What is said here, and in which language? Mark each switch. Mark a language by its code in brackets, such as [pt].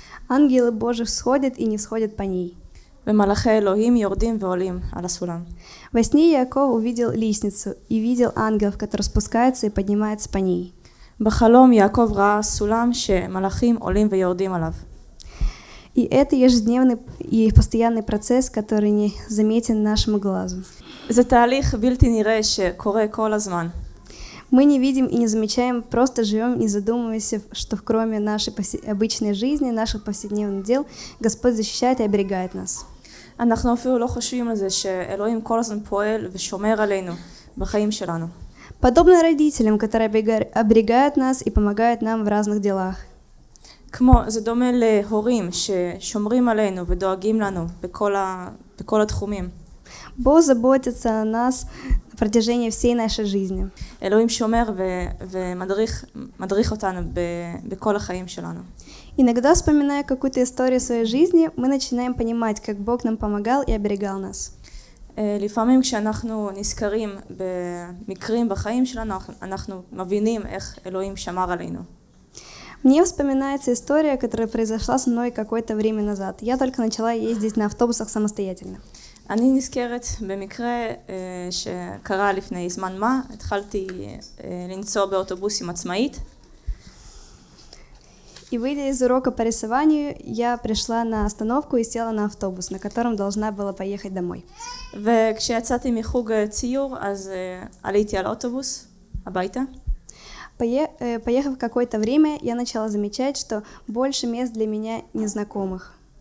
[ru] אנגלי בוז'י סחודת איני סחודת פני. [he] ומלאכי אלוהים יורדים ועולים על הסולם. [ru] Во сне Яков увидел лестницу и видел ангелов, которые спускаются и поднимаются по ней. [he] בחלום יעקב ראה סולם שמלאכים עולים ויורדים עליו. [ru] И это ежедневный и постоянный процесс, который не заметен нашему глазу. [he] זה תהליך בלתי נראה שקורה כל הזמן. [ru] Мы не видим и не замечаем, просто живем, не задумываясь, что кроме нашей обычной жизни, наших повседневных дел, Господь защищает и оберегает нас. [he] אנחנו אפילו לא חושבים על זה שאלוהים כל הזמן פועל ושומר עלינו בחיים שלנו. [ru] Подобно родителям, которые оберегают нас и помогают нам в разных делах. [he] כמו, זה דומה להורים ששומרים עלינו ודואגים לנו בכל התחומים. [ru] Бог заботится о нас на протяжении всей нашей жизни. [he] אלוהים שומר ומדריך אותנו בכל החיים שלנו. [ru] Иногда, вспоминая какую-то историю своей жизни, мы начинаем понимать, как Бог нам помогал и оберегал нас. [he] לפעמים כשאנחנו נזכרים במקרים בחיים שלנו, אנחנו מבינים איך אלוהים שמר עלינו. [ru] Мне вспоминается история, которая произошла со мной какое-то время назад. Я только начала ездить на автобусах самостоятельно. [he] אני נזכרת במקרה שקרה לפני זמן מה, התחלתי לנסוע באוטובוסים עצמאית. [ru] И выйдя из урока по рисованию, я пришла на остановку и села на автобус, на котором должна была поехать домой. [he] וכשיצאתי מחוג ציור, אז עליתי על אוטובוס הביתה. [ru] Поехав какое-то время, я начала замечать, что больше мест для меня незнакомых.